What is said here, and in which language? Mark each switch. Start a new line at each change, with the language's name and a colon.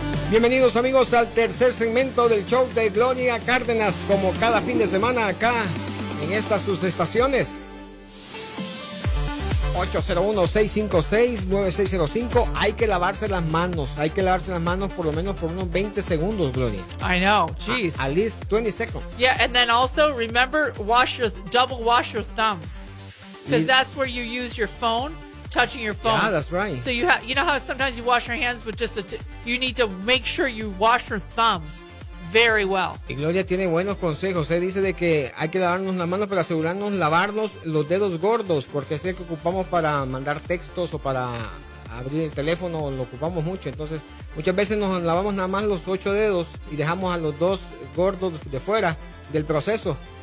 Spanish: Bienvenidos amigos al tercer segmento del show de Gloria Cárdenas, como cada fin de semana acá en estas sus estaciones. 801-656-9605. Hay que lavarse las manos. Hay que lavarse las manos por lo menos por unos 20 segundos, Gloria.
English: I know. Jeez. At least 20 seconds. Yeah, and then also remember, double wash your thumbs. Because that's where you use your phone. Touching your phone. Yeah, that's right. So you know how sometimes you wash your hands, but just you need to make sure you wash your thumbs very well.
Spanish: Y Gloria tiene buenos consejos. Se dice de que hay que lavarnos las manos para asegurarnos lavarnos los dedos gordos, porque es el que ocupamos para mandar textos o para abrir el teléfono, lo ocupamos mucho. Entonces, muchas veces nos lavamos nada más los 8 dedos y dejamos a los dos gordos de fuera del proceso.